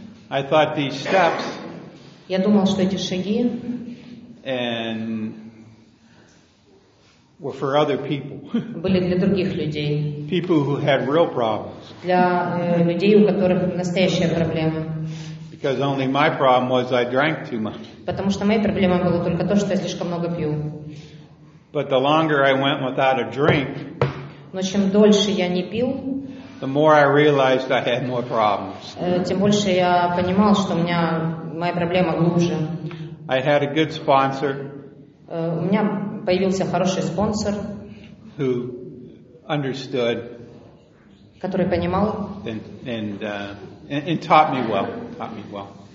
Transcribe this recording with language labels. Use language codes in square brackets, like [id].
[en] I thought these steps, [ru] я думал, что эти шаги, [en] and were for other people. [ru] Были для других людей. [en] People who had real problems. [ru] Для людей, у которых настоящие проблемы. [en] Because only my problem was I drank too much. [ru] Потому что моей проблемой было только то, что я слишком много пью. [en] But the longer I went without a drink, [ru] но чем дольше я не пил, [en] the more I realized I had more problems. [ru] Тем больше я понимал, что у меня моя проблема глубже. [en] I had a good sponsor. [ru] У меня появился хороший спонсор, [en] who understood, [ru] который понимал, [en] and taught me well. Taught me well.